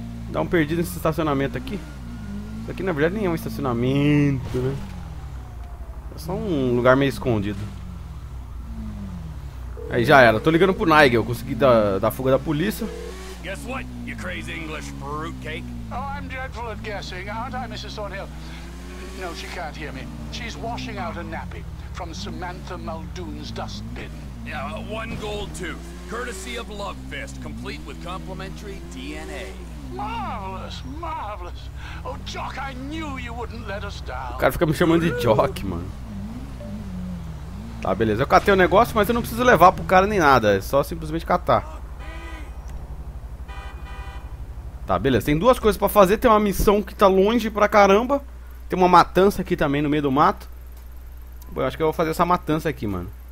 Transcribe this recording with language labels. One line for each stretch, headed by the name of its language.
Portuguese: Dá um perdido nesse estacionamento aqui. Isso aqui na verdade nem é um estacionamento, né? É só um lugar meio escondido. Aí já era, tô ligando pro Nigel, eu consegui dar fuga da polícia.
English: Guess what, you crazy English fruitcake? Oh, I'm dreadful at guessing, aren't I, Mrs. Thornhill? No, she can't hear me. She's washing out a nappy from Samantha Muldoon's dustbin. Yeah, one gold tooth, courtesy of Love Fist, complete with complimentary DNA. Marvelous, marvelous. Oh, Jock, I knew you wouldn't let us down.
Portuguese: O cara fica me chamando de Jock, mano. Tá, beleza. Eu catei o negócio, mas eu não preciso levar pro cara nem nada. É só simplesmente catar. Tá, beleza. Tem duas coisas pra fazer. Tem uma missão que tá longe pra caramba. Tem uma matança aqui também no meio do mato. Bom, eu acho que eu vou fazer essa matança aqui, mano.